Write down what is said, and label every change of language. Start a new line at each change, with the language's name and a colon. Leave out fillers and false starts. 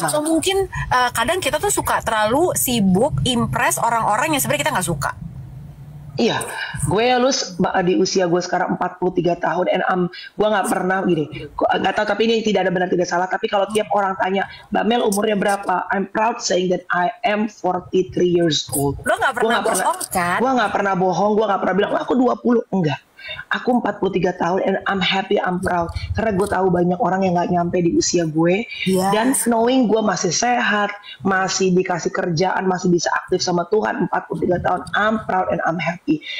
Indonesian: Gitu. So mungkin kadang kita tuh suka terlalu sibuk impress orang-orang yang sebenarnya kita nggak suka. Iya, gue ya Luz, di usia gue sekarang 43 tahun, and gue gak pernah gini, gak tahu tapi ini tidak ada benar tidak salah, tapi kalau tiap orang tanya, Mbak Mel umurnya berapa?
English: I'm proud saying that I am 43 years old.
Indonesian: Lo gak pernah bohong kan? Gue gak pernah bohong, gue gak pernah bilang, aku 20, enggak. Aku 43 tahun
English: and I'm happy, I'm proud.
Indonesian: Karena gue tahu banyak orang yang gak nyampe di usia gue. Dan knowing gue masih sehat, masih dikasih kerjaan, masih bisa aktif sama Tuhan 43 tahun,
English: I'm proud and I'm happy.